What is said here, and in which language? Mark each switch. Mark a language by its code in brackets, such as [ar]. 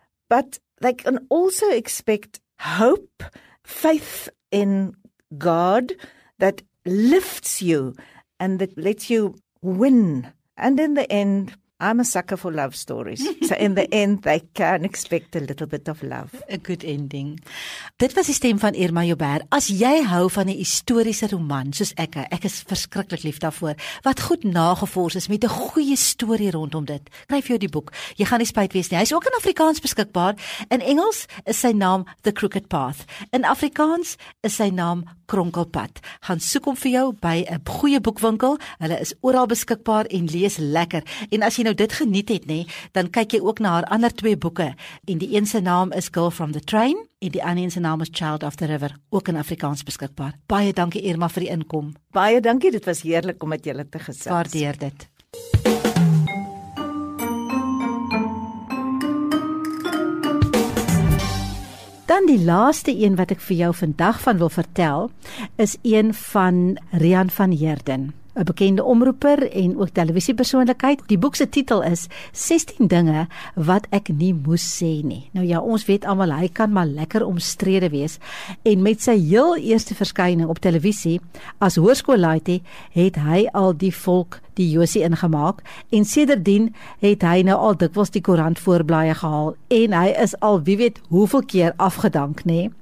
[en] But they can also expect hope, faith in God that lifts you and that lets you win. And in the end, I'm a sucker for love stories. So in the end, they can expect a little bit of love. A good ending. [af] Dit was die stem van Irma Joubert. As jy hou van 'n historiese roman, soos ek is verskriklik lief daarvoor, wat goed nagevors is met 'n goeie storie rondom dit, kryf jou die boek. Jy gaan nie spyt wees nie. Hy is ook in Afrikaans beskikbaar. In Engels is sy naam The Crooked Path. In Afrikaans is sy naam Kronkelpad. Gaan soek hom vir jou by 'n goeie boekwinkel. Hulle is oral beskikbaar en lees lekker. En as jy nou dit geniet het, nee, dan kyk jy ook na haar ander twee boeke. En die een se naam is Girl from the Train en die ander se naam is Child of the River, ook in Afrikaans beskikbaar. Baie dankie Irma vir die inkom. Baie dankie, dit was heerlik om met julle te gesels. Waardeer dit. Dan die laaste een wat ek vir jou vandag van wil vertel, is een van Rian van Heerden, 'n bekende omroeper en ook televisiepersoonlikheid. Die boek se titel is 16 dinge wat ek nie moes sê nie. Nou ja, ons weet almal hy kan maar lekker omstrede wees en met sy heel eerste verskyning op televisie as hoërskoolleiter het hy al die volk die Josie ingemaak en sedertdien het hy nou al dikwels die koerant voorblaaie gehaal en hy is al wie weet hoeveel keer afgedank nie.